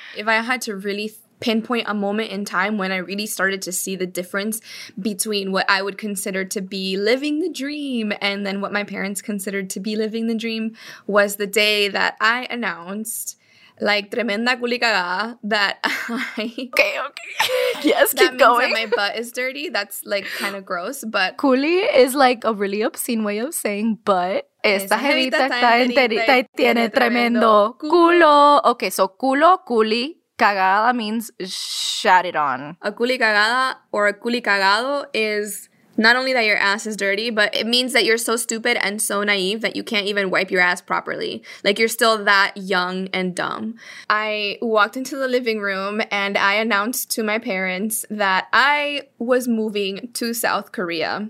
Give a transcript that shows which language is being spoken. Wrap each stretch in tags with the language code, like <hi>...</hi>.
<en>If I had to really pinpoint a moment in time when I really started to see the difference between what I would consider to be living the dream and then what my parents considered to be living the dream was the day that I announced, like,</en> <es>tremenda culicaga,</es> <en>that I... Okay. Yes, keep going. That means that my butt is dirty. That's, like, kind of gross, but... Culi is, like, a really obscene way of saying butt.</en> <es>Esta jevita está enterita y tiene tremendo culo.</es> <en>Okay, so culo, culi. Cagada means shat it on. A culi cagada or a culi cagado is not only that your ass is dirty, but it means that you're so stupid and so naive that you can't even wipe your ass properly. Like, you're still that young and dumb. I walked into the living room and I announced to my parents that I was moving to South Korea.</en>